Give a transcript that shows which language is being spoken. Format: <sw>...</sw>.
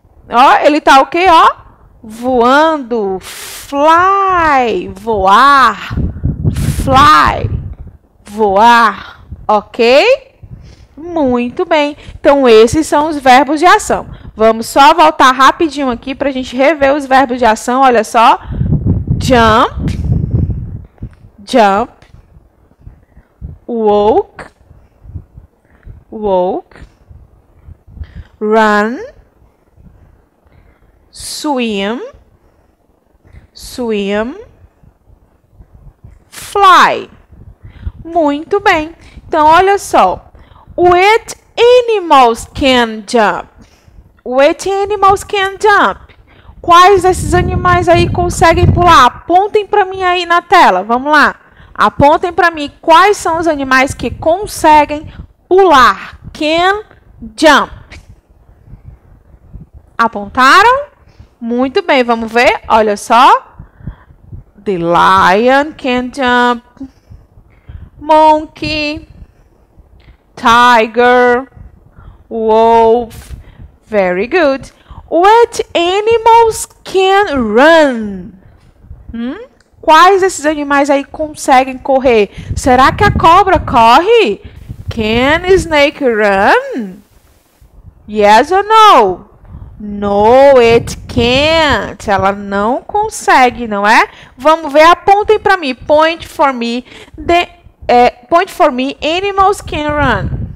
<pt>Ó, ele tá o quê, ó? Voando. Fly. Voar. Fly. Voar. Ok? Muito bem. Então, esses são os verbos de ação. Vamos só voltar rapidinho aqui pra gente rever os verbos de ação. Olha só.</pt> <en>Jump, jump, walk, walk, run, swim, swim, fly.</en> <pt>Muito bem. Então, olha só.</pt> <en>What animals can jump? What animals can jump?</en> <pt>Quais desses animais aí conseguem pular? Apontem para mim aí na tela. Vamos lá. Apontem para mim quais são os animais que conseguem pular.</pt> <en>Can jump.</en> <pt>Apontaram? Muito bem, vamos ver. Olha só.</pt> <en>The lion can jump. Monkey. Tiger. Wolf. Very good. Which animals can run?</en> <pt>Quais esses animais aí conseguem correr? Será que a cobra corre?</pt> <en>Can a snake run? Yes or no? No, it can't.</en> <pt>Ela não consegue, não é? Vamos ver, apontem para mim.</pt> <en>Point for me. Point for me, animals can run.</en>